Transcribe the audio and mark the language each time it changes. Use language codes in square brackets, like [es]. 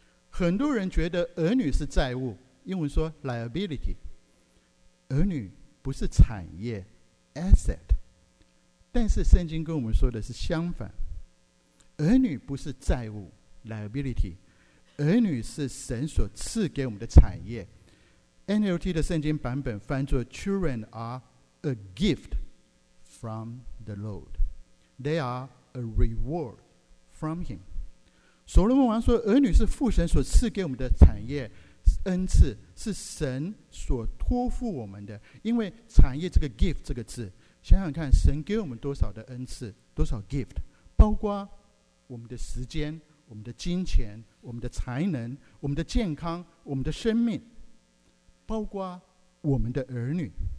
[zh] 很多人觉得儿女是债务，英文说 liability， 儿女不是产业 asset， 但是圣经跟我们说的是相反，儿女不是债务 liability， 儿女是神所赐给我们的产业。 [en] NLT [zh] 的圣经版本翻作 [en] Children are a gift from the Lord， They are a reward from him。 [zh] 所罗门王说，儿女是父神所赐给我们的产业恩赐，是神所托付我们的。因为产业这个 gift 这个字，想想看，神给我们多少的恩赐，多少 gift， 包括我们的时间，我们的金钱，我们的才能，我们的健康，我们的生命，包括我们的儿女。